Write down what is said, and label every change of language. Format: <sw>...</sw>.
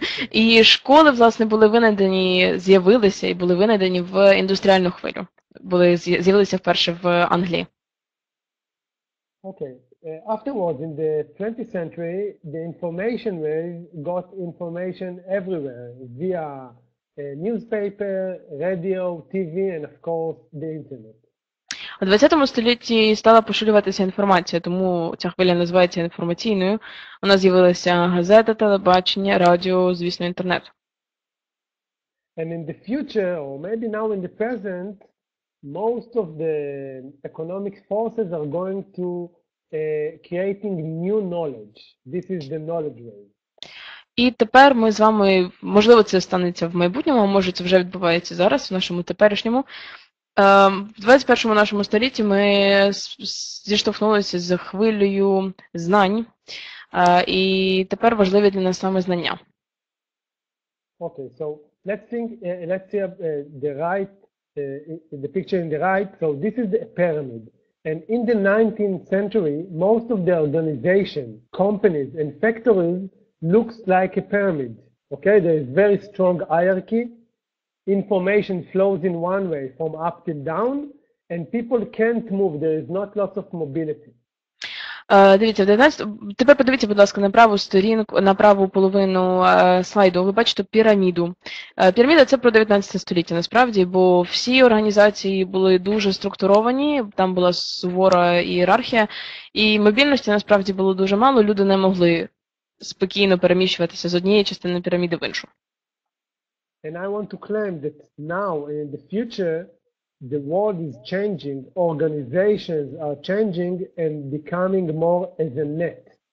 <uk>І школи, власне, були винайдені, з'явилися і були винайдені в індустріальну хвилю. Були з'явилися вперше в Англії.</uk> <en>Okay. Afterwards, in the 20th century, the information wave got information everywhere via newspaper, radio, TV, and of course the internet.</en> <uk>У 20 столітті стала поширюватися інформація, тому ця хвиля називається інформаційною. У нас з'явилися газети, телебачення, радіо, звісно, інтернет.</uk> <en>And in the future, or maybe now in the present, most of the economic forces are going to creating new knowledge. This is the knowledge wave.</en> <uk>І тепер ми з вами, можливо, це станеться в майбутньому, а може це вже відбувається зараз, в нашому теперішньому. В 21-му нашому столітті ми зіштовхнулися з хвилею знань, і тепер важливі для нас саме знання.</uk> <en>Okay, so let's see the picture in the right. So this is the pyramid. And in the 19th century, most of the organizations, companies and factories looks like a pyramid. Okay, there is very strong hierarchy. Information flows in one way from up till down, and people can't move. There is not lots of mobility.</en> <uk>Дивіться, 11. Тепер подивіться, будь ласка, на праву сторінку, на праву половину слайду. Ви бачите піраміду. Піраміда – це про 19 століття, насправді, бо всі організації були дуже структуровані, там була сувора ієрархія, і мобільності, насправді, було дуже мало, люди не могли спокійно переміщуватися з однієї частини піраміди в іншу.</uk> <en>And I want to claim that now, in the future, the world is changing, organizations are changing and becoming more as a net.</en>